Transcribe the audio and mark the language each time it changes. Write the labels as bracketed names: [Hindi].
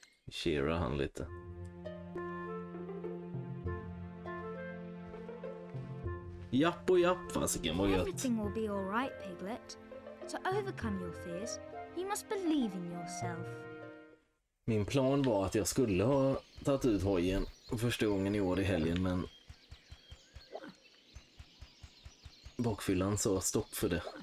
[Swedish] Cheera han lite. Japp och japp, fasiken vad gött. [English] Everything will be all right, Piglet. To overcome your fears, you must believe in yourself. [Swedish] Min plan var att jag skulle ha tagit ut hojen första gången i år i helgen, men... Bakfyllan sa stopp för det.